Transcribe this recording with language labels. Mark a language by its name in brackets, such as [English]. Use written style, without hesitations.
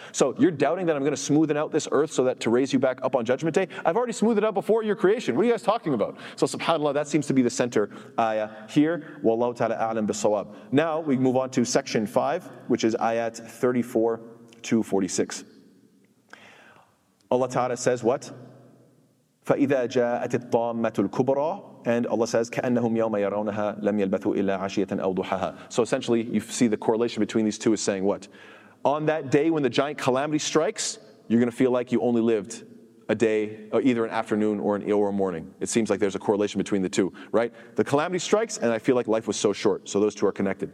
[English] So you're doubting that I'm going to smoothen out this earth so that to raise you back up on judgment day? I've already smoothed it out before your creation. What are you guys talking about? So subhanAllah, that seems to be the center ayah here. Wallahu ta'ala a'lam bisawab. Now we move on to section 5, which is ayat 34 to 46. Allah Ta'ala says what? [Arabic] فَإِذَا جَاءَتِ الطَّامَّةُ الْكُبْرَى, [English] and Allah says, [Arabic] كَأَنَّهُمْ يَوْمَ يَرَوْنَهَا لَمْ يَلْبَثُوا إِلَّا عَشِيَةً أَوْ ضُحَاهَا. [English] So essentially, you see the correlation between these two is saying what? On that day when the giant calamity strikes, you're going to feel like you only lived a day, or either an afternoon or a morning. It seems like there's a correlation between the two, right? The calamity strikes, and I feel like life was so short. So those two are connected.